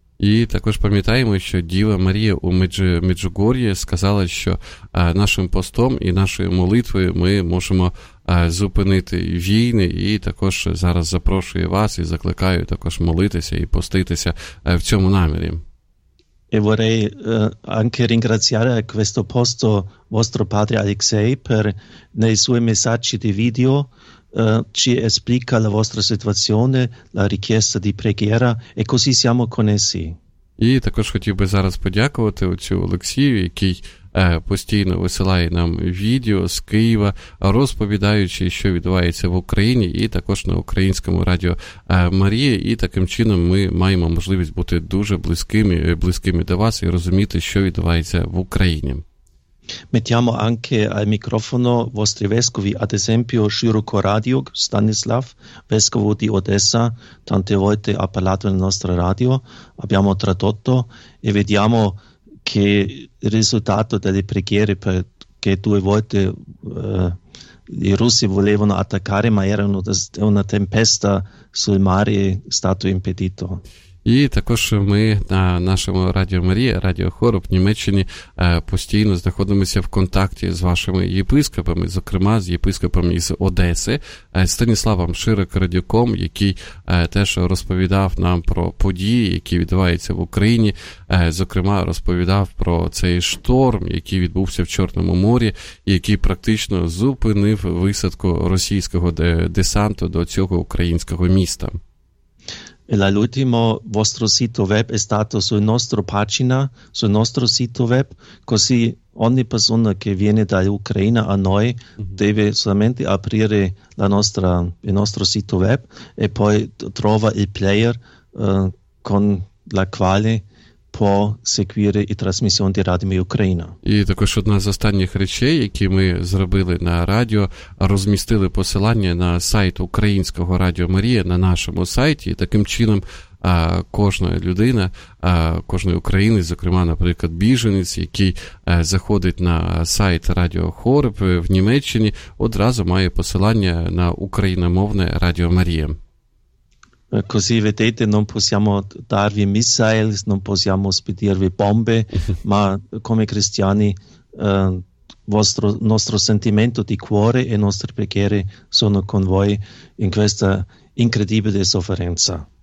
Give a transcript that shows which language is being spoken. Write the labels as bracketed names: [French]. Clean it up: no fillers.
[Ukrainian] І також пам'ятаємо, що Діва Марія у Меджугор'ї сказала, що нашим постом і нашою молитвою ми можемо зупинити війни, і також зараз запрошую вас і закликаю також молитися і поститися в цьому намірі. [Italian] E vorrei anche ringraziare a questo posto vostro padre Alexei per nei suoi messaggi di video ci explica la vostra situazione, la richiesta di preghiera, e così siamo connessi. [Ukrainian] І також хотів би зараз подякувати отцю Олексію, який постійно висилає нам відео з Києва, розповідаючи, що відбувається в Україні і також на українському радіо Марія. І таким чином ми маємо можливість бути дуже близькими до вас і розуміти, що відбувається в Україні. [Italian] Mettiamo anche al microfono vostri vescovi, ad esempio Широко Радіо Станіслав, vescovo di Одеса, tante volte ha parlato nel nostro radio, abbiamo tradotto e vediamo che il risultato delle preghiere che due volte i russi volevano attaccare, ma era una tempesta sul mare, è stato impedito. [Ukrainian] І також ми на нашому Радіо Марія, Радіо Хороб в Німеччині постійно знаходимося в контакті з вашими єпископами, зокрема з єпископом із Одеси, Станіславом Широк-Радюком, який теж розповідав нам про події, які відбуваються в Україні, зокрема розповідав про цей шторм, який відбувся в Чорному морі, який практично зупинив висадку російського десанту до цього українського міста. [Italian] E l'ultimo vostro sito web è stato sul nostro pagina, sul nostro sito web, così ogni persona che viene dall'Ucraina a noi deve solamente aprire la nostra, il nostro sito web e poi trova il player con la quale può seguire la trasmissione di Radio Ucraina. [Ukrainian] І також одна з останніх речей, які ми зробили на радіо, розмістили посилання на сайт українського Радіо Марія на нашому сайті. І таким чином кожна людина, кожної України, зокрема, наприклад, біженець, який заходить на сайт Радіо Хореб в Німеччині, одразу має посилання на україномовне Радіо Марія. [Italian] Così vedete, non possiamo darvi missili, non possiamo spedirvi bombe, ma come cristiani nostro sentimento di cuore e nostre preghiere sono con voi in questa incredibile sofferenza.